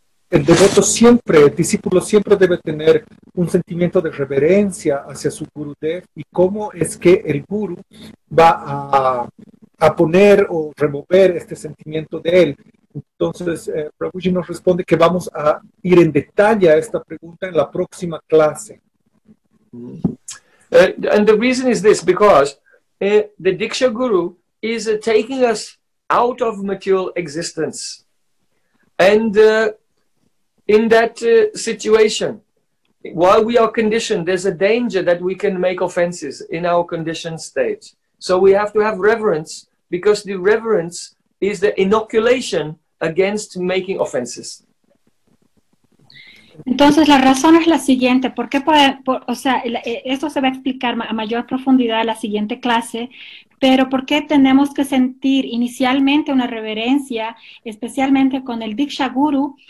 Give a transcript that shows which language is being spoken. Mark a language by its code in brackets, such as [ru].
[es] El devoto siempre, el discípulo siempre debe tener un sentimiento de reverencia hacia su Gurudev, y cómo es que el Guru va a poner o remover este sentimiento de él. Entonces, Prabhuji nos responde que vamos a ir en detalle a esta pregunta en la próxima clase. [en] And the reason is this, because the Diksha Guru is taking us out of material existence. And in that situation, while we are conditioned, there's a danger that we can make offenses in our conditioned state. So we have to have reverence, because the reverence is the inoculation against making offenses. [es] Entonces la razón es la siguiente, esto se va a explicar a mayor profundidad en la siguiente clase, pero ¿por qué tenemos que sentir inicialmente una reverencia, especialmente con el Diksha Guru?